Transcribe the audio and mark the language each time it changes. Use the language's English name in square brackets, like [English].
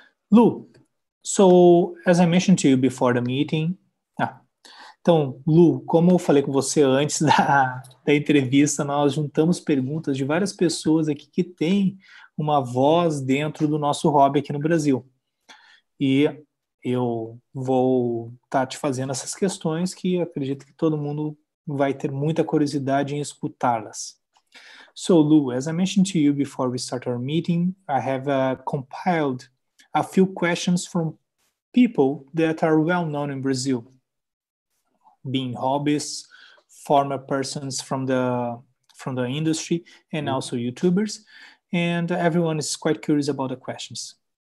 [English] Lou, so, as I mentioned to you before the meeting... [Portuguese] Então, Lou, como eu falei com você antes da entrevista, nós juntamos perguntas de várias pessoas aqui que têm uma voz dentro do nosso hobby aqui no Brasil. E eu vou estar te fazendo essas questões que acredito que todo mundo vai ter muita curiosidade em escutá-las. [English] So, Lou, as I mentioned to you before we start our meeting, I have compiled a few questions from people that are well known in Brazil. Being hobbies, former persons from the industry, and also YouTubers, and everyone is quite curious about the questions.